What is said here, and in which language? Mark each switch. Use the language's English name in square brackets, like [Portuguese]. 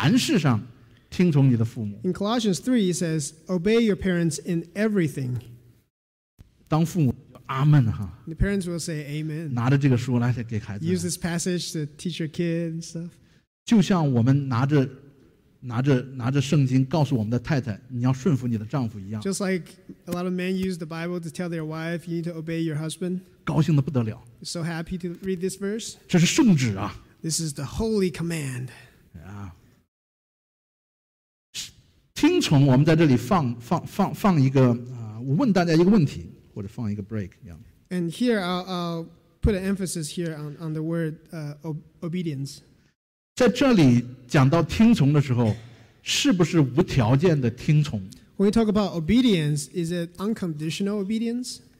[Chinese] 在哥罗西书3章20节甚至讲到，在凡事上听从你的父母。 [English] In Colossians 3, it says, obey your parents in everything. [Chinese] 当父母。 [English] Amen, huh? The parents will say amen. [Chinese] 拿着这个书来给孩子。 [English] Use this passage to teach your kids and stuff. [Chinese] 就像我们拿着圣经告诉我们的太太，你要顺服你的丈夫一样。 [English] Just like a lot of men use the Bible to tell their wife, you need to obey your husband. [Chinese] 高兴得不得了。 [English] So happy to read this verse. [Chinese] 这是圣旨啊。 [English] This is the holy command. [Chinese] 听从，我们在这里放一个，我问大家一个问题。或者放一个 [English] break, yeah. And here I'll put an emphasis here on the word obedience. [Chinese] 在这里讲到听从的时候，是不是无条件的听从？ [English] When we talk about obedience, is it unconditional obedience?